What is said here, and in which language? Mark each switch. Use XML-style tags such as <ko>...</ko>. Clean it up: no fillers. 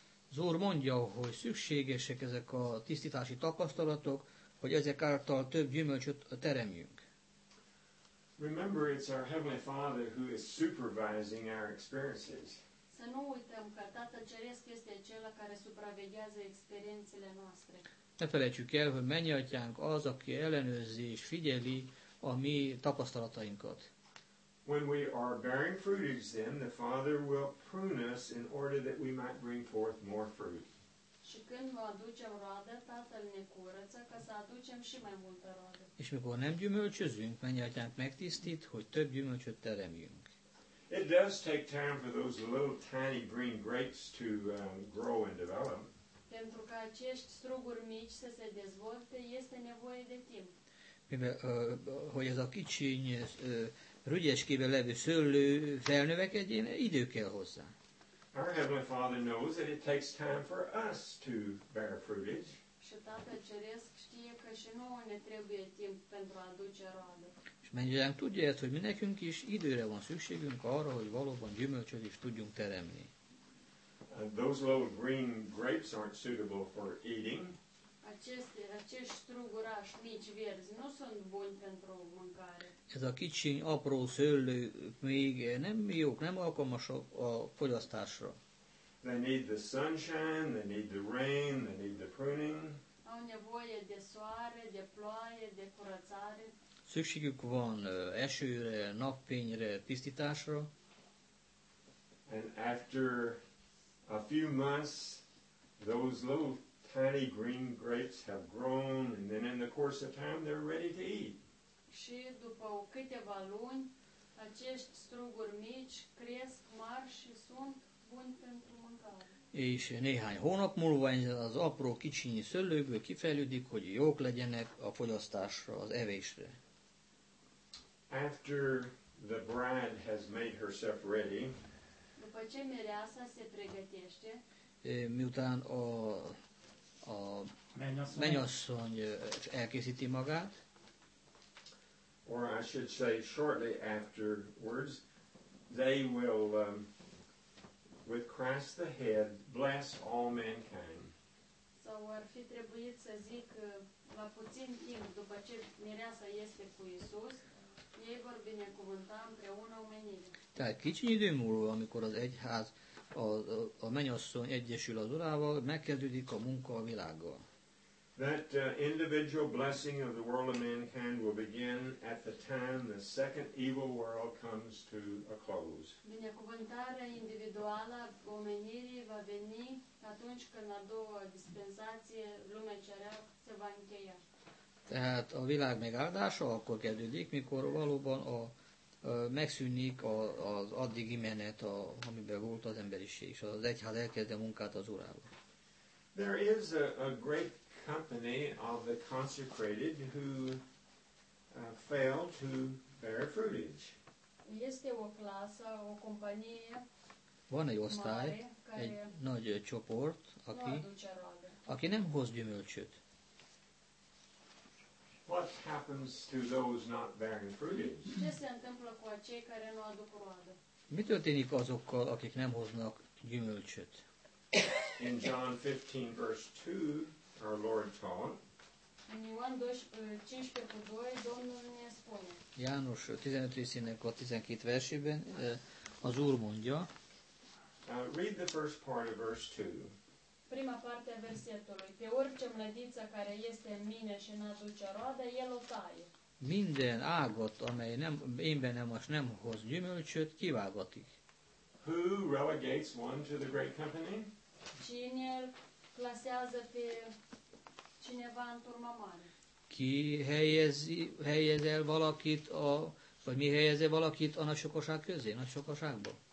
<hu>Az Úr mondja, hogy szükségesek ezek a tisztítási tapasztalatok, hogy ezek által több gyümölcsöt teremjünk.</hu> <en>Remember, it's our Heavenly Father who is supervising our experiences.</en> <ro>Să nu uităm că Tatăl Ceresc este acela care supraveghează experiențele noastre.</ro> <hu>Ne felejtjük el, hogy mennyi atyánk az, aki ellenőrzi és figyeli a mi tapasztalatainkat.</hu> <en>When we are bearing fruitage, then the Father will prune us in order that we might bring forth more fruit.</en> <ro>Și când vom aduce roadă, Tatăl ne curăță ca să aducem și mai multă roadă.</ro> <hu>És mikor nem gyümölcsözünk, mennyatyánk megtisztít, hogy több gyümölcsöt teremjünk.</hu> <en>It does take time for those little tiny green grapes to grow and develop.</en> <ro>Pentru ca acești struguri mici să se dezvolte, este nevoie de timp.</ro> <hu>Mivel, hogy ez a kicsiny, rügyeskébe levő szőlő felnövekedjen, idő kell hozzá.</hu> <en>Our Heavenly Father knows that it takes time for us to bear fruitage.</en> <ro>Și Tatăl Ceresc știe că și nouă ne trebuie timp pentru a aduce roadă.</ro> <hu>Și mennyiszen tudja ezt, hogy mi nekünk is időre van szükségünk arra, hogy valóban gyümölcsöt is tudjunk teremni.</hu> <en>Those little green grapes aren't suitable for eating.</en> <ro>Acești struguraș mici verzi nu sunt buni pentru mâncare.</ro> <hu>Ez a kicsi apró szőlő még nem jók, nem alkalmasok a fogyasztásra.</hu> <en>They need the sunshine, they need the rain, they need the pruning.</en> <ro>Au nevoie de soare, de ploaie, de curățare.</ro> <hu>Szükségük van esőre, napfényre, tisztításra.</hu> <en>And after a few months, those little tiny green grapes have grown, and then in the course of time, they're ready to eat.</en> <ro>Și după câteva luni, acești struguri mici cresc mari și sunt buni pentru mâncare.</ro> <hu>És néhány hónap múlva az apró kicsinyi szőlőből kifejlődik, hogy jók legyenek a fogyasztásra, az evésre.</hu> <en>After the bride has made herself ready,</en> <ro>după ce mireasa se pregătește,</ro> <hu>miután a mennyasszony elkészíti magát,</hu> <en>or I should say shortly afterwards, they will with Christ the head bless all mankind.</en> <ro>Sau ar fi trebuit să zic la puțin timp după ce mireasa este cu Iisus, ei vor binecuvânta împreună omenirea.</ro> <hu>Tehát kicsiny idő múlva, amikor az egyház, a mennyasszony egyesül az Urával, megkezdődik a munka a világgal.</hu> <en>That individual blessing of the world of mankind will begin at the time the second evil world comes to a close.</en> <ro>Binecuvântarea individuală omenirii va veni atunci când a doua dispensație lumea cerească se va încheia.</ro> <hu>Tehát a világ megáldása akkor kezdődik, mikor valóban a megszűnik az addigi menet, amiben volt az emberiség, és az egyház elkezde munkát az Urával.</hu> <en>There is a great company of the consecrated who fail to bear fruitage.</en> <ro>Este o clasă, o companie.</ro> <hu>Van egy osztály, egy nagy csoport, aki nem hoz gyümölcsöt.</hu> <en>What happens to those not bearing fruitage?</en> <ro>Ce se întâmplă cu acei care nu aduc roadă?</ro> <hu>Mi történik azokkal, akik nem hoznak gyümölcsöt?</hu> <en>In John 15, verse 2, our Lord taught.</en> <ro>In Ioan 15:2, Domnul ne spune.</ro> <hu>János 15 részének a 12 versében az Úr mondja.</hu> <en>Read the first part of verse 2.</en> <ro>Prima parte a versetului. Pe orice mlădiță care este în mine și nu aduce roadă, el o taie.</ro> <hu>Minden ágat, amely nem hoz gyümölcsöt, kivágatik.</hu> <en>Who relegates one to the great company?</en> <ro>Cine clasează pe cineva în turma mare?</ro> <hu>Ki helyez el valakit, vagy mi helyez el valakit a nagy sokaság közé, nagy sokaságba?</hu>